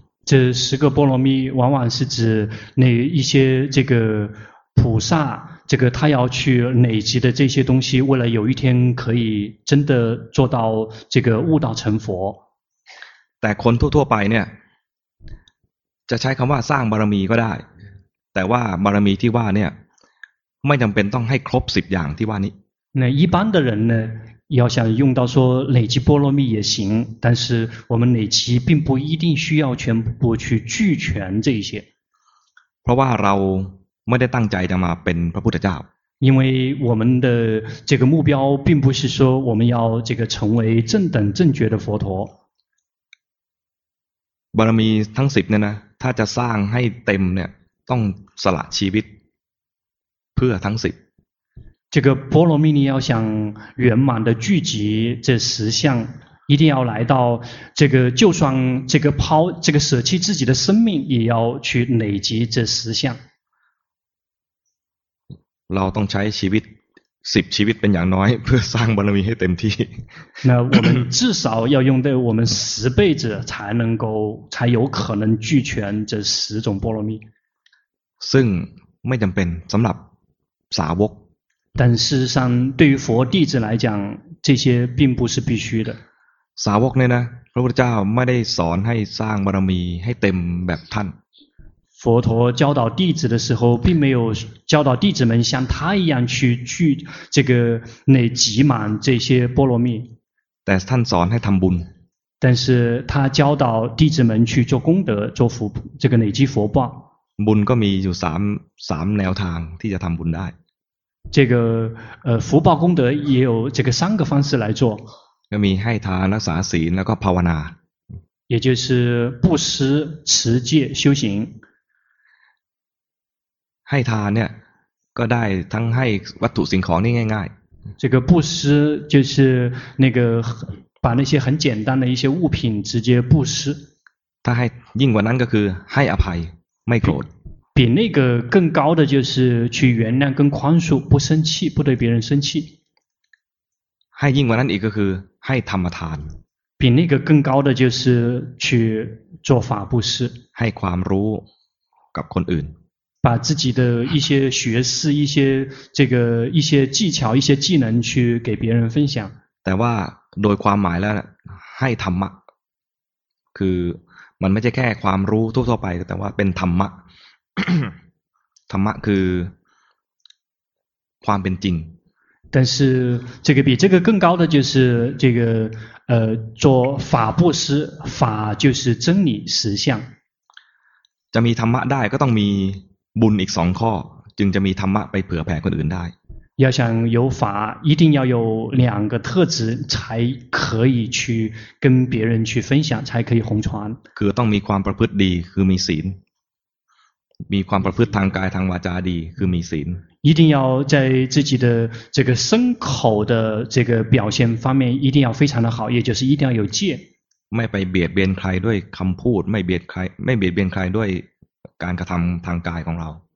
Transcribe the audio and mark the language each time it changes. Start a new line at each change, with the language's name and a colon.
Chinese: 这十个波罗蜜往往是指那一些这个菩萨这个他要去累积的这些东西为了有一天可以真的做到这个悟道成佛
Thai: แต่คนทั่วๆไปเนี่ยจะใช้คำว่าสร้างบารมีก็ได้แต่ว่าบารมีที่ว่าเนี่ยไม่จำเป็นต้องให้ครบสิบอย่างที่ว่านี้
Chinese: 那一般的人呢要想用到说累积波罗蜜也行但是我们累积并不一定需要全部去具全这些
Thai: เพราะว่าเราไม่ได้ตั้งใจจะมาเป็นพระพุทธเจ้า
Chinese: 因为我们的这个目标并不是说我们要这个成为正等正觉的佛陀
Thai: บารมีทั้งสิบเนี่ยนะถ้าจะสร้างให้เต็มเนี่ยต้องสละชีวิตเพื่อทั้งสิบ
Chinese: 这个波罗蜜你要想圆满的聚集这十项一定要来到这个就算这个抛这个舍弃自己的生命也要去累积这十项
Thai: เราต้องใช้ชีวิตสิบชีวิตเป็นอย่างน้อยเพื่อสร้างบารมีให้เต็มที่
Chinese: 那我们至少要用的我们十辈子才能够才有可能具全这十种波罗蜜
Thai: ซึ่งไม่จำเป็นสำหรับสาวก
Chinese: 但事实上对于佛弟子来讲这些并不是必须的
Thai: สาวกเนี่ยนะพระพุทธเจ้าไม่ได้สอนให้สร้างบารมีให้เต็มแบบท่าน
Chinese: 佛陀教导弟子的时候并没有教导弟子们像他一样去聚这个累积满这些波罗蜜
Thai: แต่ท่านสอนให้ทำบุญ
Chinese: 但是他教导弟子们去做功德做福这个累积佛报
Thai: บุญก็มีอยู่3แนวทางที่จะทำบุญได้
Chinese: 这个福报功德也有这个三个方式来做
Thai: ก็มีให้ทานรักษาศีลแล้วก็ภาวนา
Chinese: 也就是布施持戒修行
Thai: ให้ทานเนี่ยก็ได้ทั้งให้วัตถุสิ่งของนี่ง่าย
Chinese: ๆ这个布施就是那个把那些很简单的一些物品直接布施
Thai: ถ้าให้ยิ่งกว่านั้นก็คือให้อภัยไม่โกรธ
Chinese: 比那个更高的就是去原谅跟宽恕不生气不对别人生气
Thai: ให้ยิ่งกว่านั้นอีกก็คือให้ธรรมทาน
Chinese: 比那个更高的就是去做法布施
Thai: ให้ความรู้กับคนอื่น
Chinese: 把自己的一些学识一些这个一些技巧一些技能去给别人分享
Thai: แต่ว่าโดยความหมายแล้วให้ธรรมะคือมันไม่ใช่แค่ความรู้ทั่วๆไปแต่ว่าเป็นธรรมะ ธรรมะคือความเป็นจริง
Chinese: 但是这个比这个更高的就是这个做法布施法就是真理实相
Thai: จะมีธรรมะได้ก็ต้องมีบุญอีกสองข้อจึงจะมีธรรมะไปเผื่อแผ่คนอื่นได้
Chinese: 要想有法一定要有两个特质才可以去跟别人去分享才可以弘传
Thai: คือต้องมีความประพฤติดีคือมีศีลมีความประพฤติทางกายทางวาจาดีคือมีศีล
Chinese: 一定要在自己的这个身口的这个表现方面一定要非常的好也就是一定要有戒
Thai: ไม่ไปเบียดเบียนใครด้วยคำพูดไม่เบียดใครไม่เบียดเบียนใครด้วยการกระทำทางกายของเรา